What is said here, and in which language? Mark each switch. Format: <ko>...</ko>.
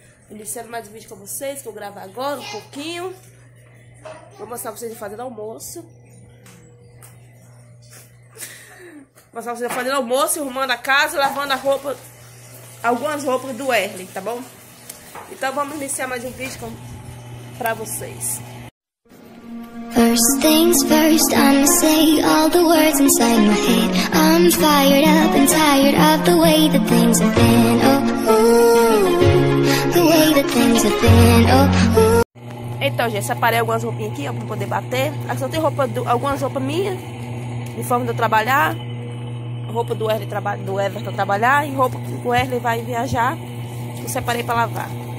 <pt>Iniciando mais um vídeo com vocês, que eu gravo agora um pouquinho. Vou mostrar pra vocês fazendo almoço. Vou mostrar pra vocês fazendo almoço, arrumando a casa, lavando a roupa, algumas roupas do Erling, tá bom? Então vamos iniciar mais um vídeo pra vocês.</pt> <en>First things first, I'ma say all the words inside my head. I'm fired up and tired of the way that things have been. Oh, ooh, the way that things have been. Oh, ooh.</en> <pt>Então, gente, separei algumas roupinhas aqui, ó, pra poder bater. Aqui só tem roupa do, algumas roupas minhhas, de forma de eu trabalhar. Roupa do Everton trabalhar e roupa que o Everton vai viajar. Eu separei pra lavar.</pt>